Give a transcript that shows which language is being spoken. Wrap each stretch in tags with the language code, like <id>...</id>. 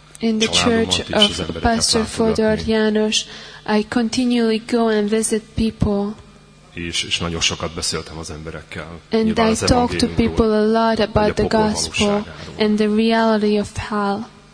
<en>In the church of Pastor Fodor János, I continually go and visit people.</en> <hu>És nagyon sokat beszéltem az emberekkel.</hu> <en>And I talk to people a lot about the gospel and the reality of hell.</en>